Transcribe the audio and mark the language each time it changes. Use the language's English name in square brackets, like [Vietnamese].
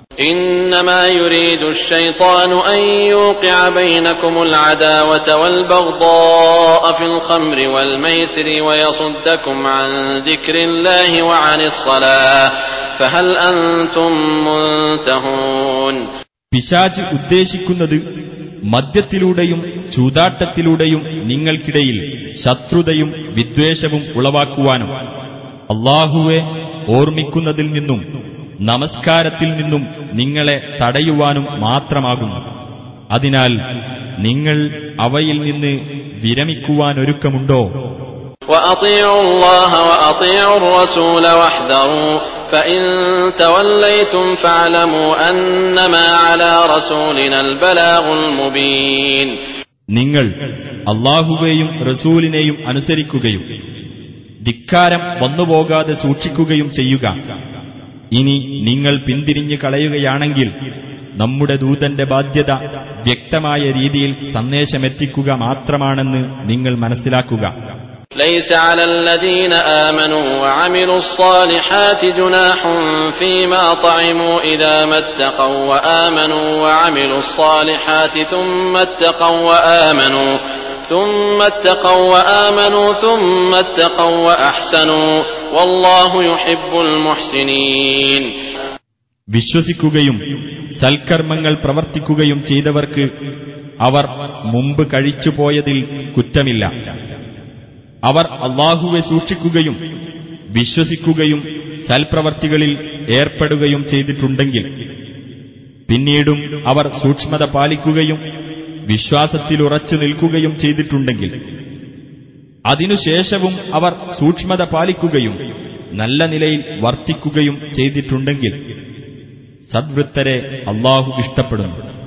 [Arabic] إنما يريد الشيطان أن يوقع بينكم العداوة والبغضاء في الخمر والميسر ويصدكم عن ذكر الله وعن الصلاة فهل أنتم منتهون. [Malayalam] പിശാച് ഉദ്ദേശിക്കുന്നത് മദ്യത്തിലൂടെയും ചൂതാട്ടത്തിലൂടെയും നിങ്ങൾക്കിടയിൽ ശത്രുതയും വിദ്വേഷവും ഉളവാക്കുവാനും അല്ലാഹുവെ ഓർമ്മിക്കുന്നതിൽ നിന്നും നമസ്കാരത്തിൽ നിന്നും നിങ്ങളെ തടയുവാനും മാത്രമാകുന്നു. അതിനാൽ നിങ്ങൾ അവയിൽ നിന്ന് വിരമിക്കുവാനൊരുക്കമുണ്ടോ? [Arabic] وأطيعوا الله وأطيعوا الرسول واحذروا فإن توليتم فاعلموا أنما على رسولنا البلاغ المبين. [Malayalam] നിങ്ങൾ അല്ലാഹുവേയും റസൂലിനെയും അനുസരിക്കുകയും ധിക്കാരം വന്നുപോകാതെ സൂക്ഷിക്കുകയും ചെയ്യുക. ഇനി നിങ്ങൾ പിന്തിരിഞ്ഞു കളയുകയാണെങ്കിൽ നമ്മുടെ ദൂതന്റെ ബാധ്യത വ്യക്തമായ രീതിയിൽ സന്ദേശമെത്തിക്കുക മാത്രമാണെന്ന് നിങ്ങൾ മനസ്സിലാക്കുക. [Arabic] ليس على الذين آمنوا وعملوا الصالحات جناح فيما طعموا إذا ما اتقوا وآمنوا وعملوا الصالحات ثم اتقوا وآمنوا ثم أحسنوا والله يحب المحسنين. [Malayalam] വിശ്വസിക്കുകയും സൽക്കർമ്മങ്ങൾ പ്രവർത്തിക്കുകയും ചെയ്തവർക്ക് അവർ മുമ്പ് കഴിച്ചു പോയതിൽ കുറ്റമില്ല. അവർ അല്ലാഹുവെ സൂക്ഷിക്കുകയും വിശ്വസിക്കുകയും സൽപ്രവർത്തികളിൽ ഏർപ്പെടുകയും ചെയ്തിട്ടുണ്ടെങ്കിൽ പിന്നീടും അവർ സൂക്ഷ്മത പാലിക്കുകയും വിശ്വാസത്തിലുറച്ചു നിൽക്കുകയും ചെയ്തിട്ടുണ്ടെങ്കിൽ അതിനുശേഷവും അവർ സൂക്ഷ്മത പാലിക്കുകയും നല്ല നിലയിൽ വർത്തിക്കുകയും ചെയ്തിട്ടുണ്ടെങ്കിൽ സദ്വൃത്തരെ അല്ലാഹു ഇഷ്ടപ്പെടുന്നു.